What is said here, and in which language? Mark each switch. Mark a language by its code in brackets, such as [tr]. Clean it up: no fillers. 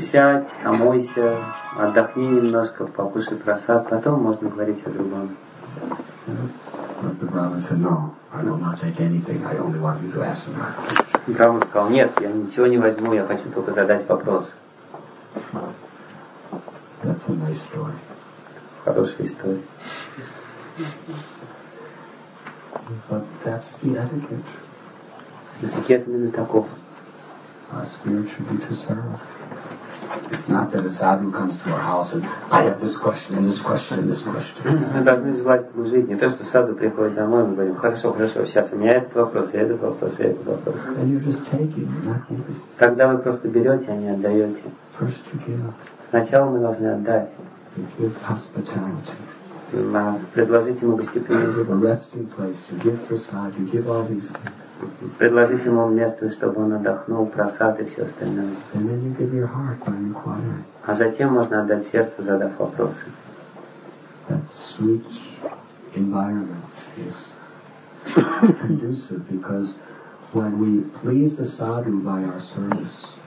[ru] Сядь, омойся, отдохни немножко, покушай прасад, потом можно говорить о другом. [en] Yes. But the Brahman said, "No, I will not take anything. I only want you to ask me." [ru] Брахман сказал, нет, я ничего не возьму, я хочу только задать вопрос. [en] That's a nice story. [ru] Хорошая история. [en] But that's the etiquette. [ru] Этикет именно таков. [en] Our spirit should be to serve. It's not that a sadhu comes to our house and I have this question and this question and this question. [ru] Мы должны желать служить. Не то, что садху приходит домой, мы говорим, хорошо, хорошо, сейчас у меня этот вопрос, этот вопрос, этот вопрос. [en] And you're just taking, not giving. [ru] Тогда вы просто берете, а не отдаете. [en] First you give. [ru] Сначала мы должны отдать. [en] Give hospitality. [ru] Предложить ему гостеприимство. [en] Resting place, you give prasad, you give all these things. [ru] Предложить ему место, чтобы он отдохнул, просад и все остальное. [en] And then you give your heart by inquiring. [ru] А затем можно отдать сердце, задав вопросы. [en] That sweet environment is conducive because when we please the sadhu by our service.